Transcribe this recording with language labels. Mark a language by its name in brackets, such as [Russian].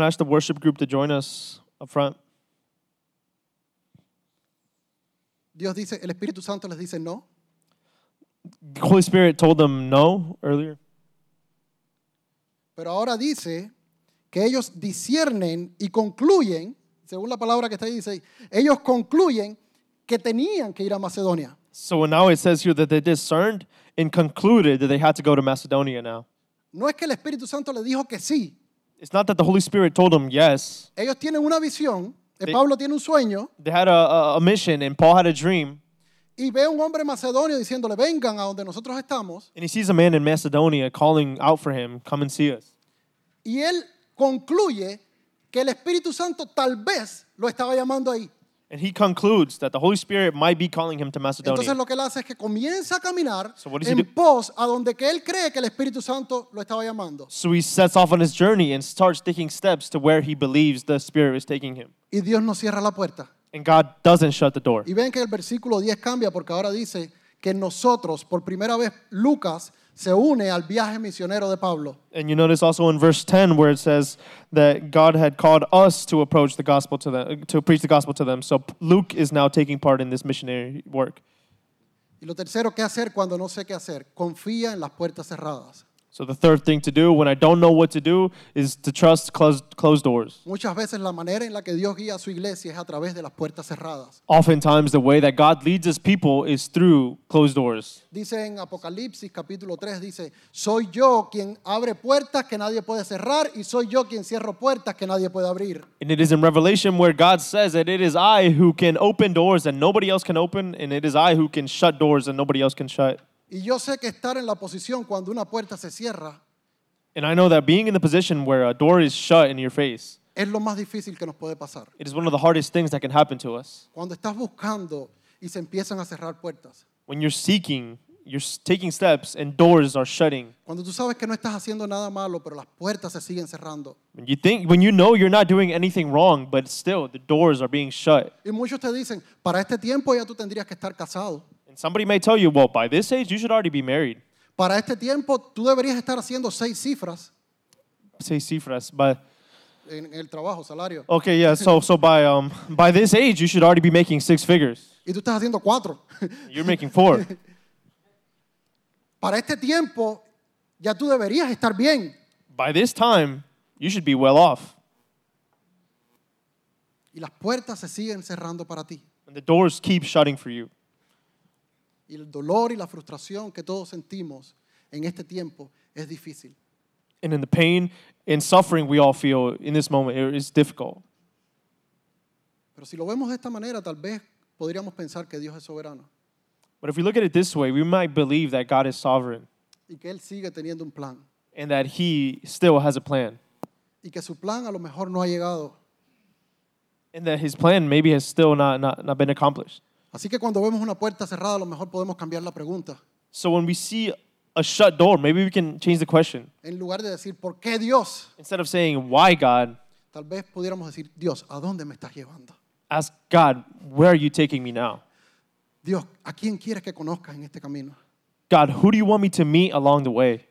[English] to ask the worship group to join us up front. [Spanish] Dios dice, el Espíritu Santo les dice no. [English] The Holy Spirit told them no earlier. [Spanish] Pero ahora dice que ellos disciernen y concluyen, según la palabra que está ahí dice, ellos concluyen que tenían que ir a Macedonia. [English] So now it says here that they discerned and concluded that they had to go to Macedonia now. [Spanish] No es que el Espíritu Santo le dijo que sí. [English] It's not that the Holy Spirit told them yes. [Spanish] Ellos tienen una visión, Pablo tiene un sueño. [English] They had a mission and Paul had a dream. [Spanish] Y ve un hombre macedonio diciéndole, vengan a donde nosotros estamos. [English] And he sees a man in Macedonia calling out for him, come and see us. [Spanish] Y él concluye que el Espíritu Santo tal vez lo estaba llamando ahí. [English] And he concludes that the Holy Spirit might be calling him to Macedonia. [Spanish] Entonces lo que él hace es que comienza a caminar en pos a donde que él cree que el Espíritu Santo lo estaba llamando. [English] So he sets off on his journey and starts taking steps to where he believes the Spirit is taking him. [Spanish] Y Dios no cierra la puerta. [English] And God doesn't shut the door. [Spanish] Y ven que el versículo 10 cambia porque ahora dice que nosotros, por primera vez, Lucas se une al viaje misionero de Pablo. [English] And you notice also in verse 10 where it says that God had called us to approach the gospel to them, to preach the gospel to them. So Luke is now taking part in this missionary work. [Spanish] Y lo tercero, ¿qué hacer cuando no sé qué hacer? Confía en las puertas cerradas. [English] So the third thing to do when I don't know what to do is to trust closed doors. [Spanish] Muchas veces la manera en la que Dios guía a su iglesia es a través de las puertas cerradas. [English] Oftentimes the way that God leads his people is through closed doors. [Spanish] Dice en Apocalipsis capítulo 3, dice, soy yo quien abre puertas que nadie puede cerrar y soy yo quien cierro puertas que nadie puede abrir. [English] And it is in Revelation where God says that it is I who can open doors and nobody else can open, and it is I who can shut doors and nobody else can shut. [Spanish] Y yo sé que estar en la posición cuando una puerta se cierra, [English] and I know that being in the position where a door is shut in your face, [Spanish] es lo más difícil que nos puede pasar. [English] It is one of the hardest things that can happen to us. [Spanish] Cuando estás buscando y se empiezan a cerrar puertas. [English] When you're seeking, you're taking steps and doors are shutting. [Spanish] Cuando tú sabes que no estás haciendo nada malo, pero las puertas se siguen cerrando. [English] When you know you're not doing anything wrong, but still the doors are being shut. [Spanish] Y muchos te dicen, para este tiempo ya tú tendrías que estar casado. [English] Somebody may tell you, well, by this age, you should already be married. [Spanish] Para este tiempo, tú deberías estar haciendo seis cifras. Seis cifras, but... En el trabajo, salario. [English] Okay, yeah, so by this age, you should already be making six figures. [Spanish] Y tú estás haciendo cuatro. [English] You're making four. [Spanish] Para este tiempo, ya tú deberías estar bien. [English] By this time, you should be well off. [Spanish] Y las puertas se siguen cerrando para ti. [English] And the doors keep shutting for you. [Spanish] Y el dolor y la frustración que todos sentimos en este tiempo es difícil. [English] And in the pain and suffering we all feel in this moment, it is difficult. [Spanish] Pero si lo vemos de esta manera, tal vez podríamos pensar que Dios es soberano. [English] But if we look at it this way, we might believe that God is sovereign. [Spanish] Y que él sigue teniendo un plan. [English] And that he still has a plan. [Spanish] Y que su plan a lo mejor no ha llegado. [English] And that his plan maybe has still not been accomplished. [Spanish] Así que cuando vemos una puerta cerrada, a lo mejor podemos cambiar la pregunta. [English] So when we see a shut door, maybe we can change the question. [Spanish] En lugar de decir, ¿por qué Dios? [English] Instead of saying, why God? [Spanish] Tal vez pudiéramos decir, Dios, ¿a dónde me estás llevando? [English] Ask God, where are you taking me now? [Spanish] Dios, ¿a quién quieres que conozca en este camino? [English] God, who do you want me to meet along the way?